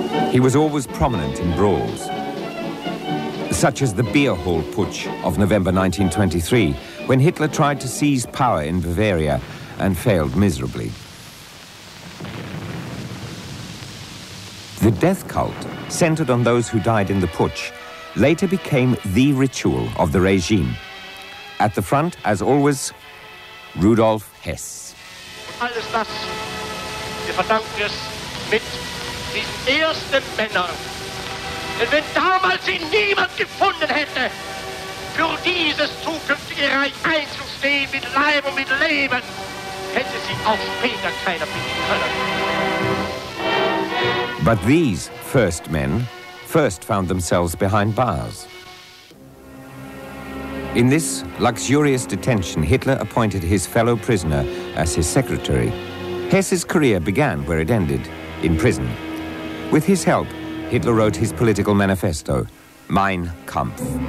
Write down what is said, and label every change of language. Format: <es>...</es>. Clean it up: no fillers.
<en>He was always prominent in brawls, such as the beer hall putsch of November 1923, when Hitler tried to seize power in Bavaria and failed miserably. The death cult, centered on those who died in the putsch, later became the ritual of the regime. At the front, as always, Rudolf Hess.</en> <de>Alles das, wir verdanken es mit den ersten Männern. Denn wenn damals sie niemand gefunden hätte, für dieses zukünftige Reich einzustehen mit Leib und mit Leben, hätte sie auch später keiner bieten können.</de> <en>But these first men first found themselves behind bars. In this luxurious detention, Hitler appointed his fellow prisoner as his secretary. Hess's career began where it ended, in prison. With his help, Hitler wrote his political manifesto, Mein Kampf.</en>